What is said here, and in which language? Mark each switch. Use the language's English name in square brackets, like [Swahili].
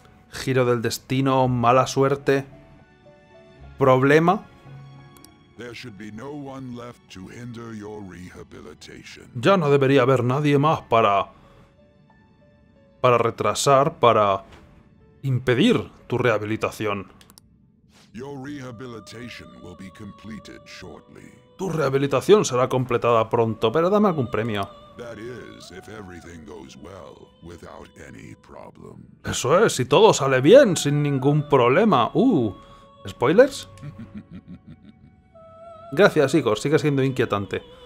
[Spanish] giro del destino, mala suerte... problema... [English] There should be no one left to hinder your rehabilitation. [Spanish] Ya no debería haber nadie más para retrasar, para impedir tu rehabilitación. [English] Your rehabilitation will be completed shortly. [Spanish] Tu rehabilitación será completada pronto, pero dame algún premio. [English] That is, if everything goes well, without any problems. [Spanish] Eso es, si todo sale bien, sin ningún problema. ¿Spoilers? Gracias, Igor. Sigue siendo inquietante.